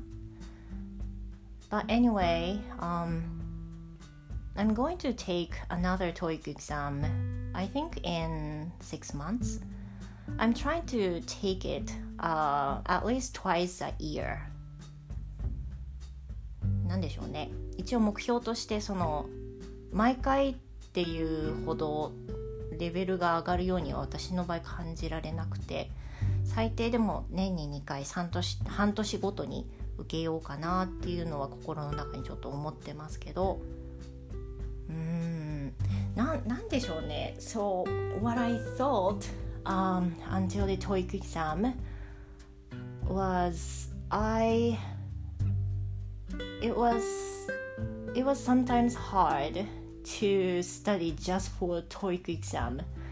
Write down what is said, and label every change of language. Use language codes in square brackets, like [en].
[en] Yeah. But anyway, I'm going to take another TOEIC exam, I think in 6 months. I'm trying to take it at least twice a year. [ja] なんでしょうね、一応目標としてその毎回っていうほどレベルが上がるようには私の場合感じられなくて、最低でも年に2回半年ごとに受けようかなっていうのは心の中にちょっと思ってますけど、なんでしょうね。 [en] So what I thought until the TOEIC exam was It was sometimes hard to study just for TOEIC exam,